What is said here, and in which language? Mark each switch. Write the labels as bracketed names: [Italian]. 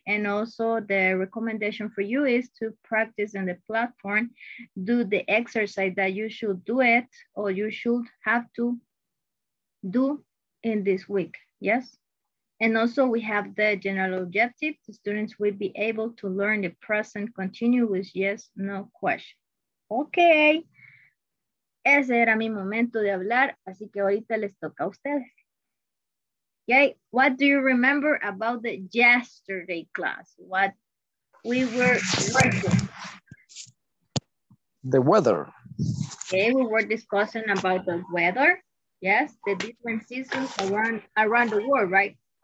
[English] And also the recommendation for you is to practice in the platform, do the exercise that you should do it or you should have to do in this week, yes? And also we have the general objective. The students will be able to learn the present continuous with yes, no question. Okay. [Spanish] Ese era mi momento de hablar, así que ahorita les toca a ustedes. [English] Okay, what do you remember about the yesterday class? What we were learning? the weather. Okay, we were discussing about the weather. Yes, the different seasons around the world, right?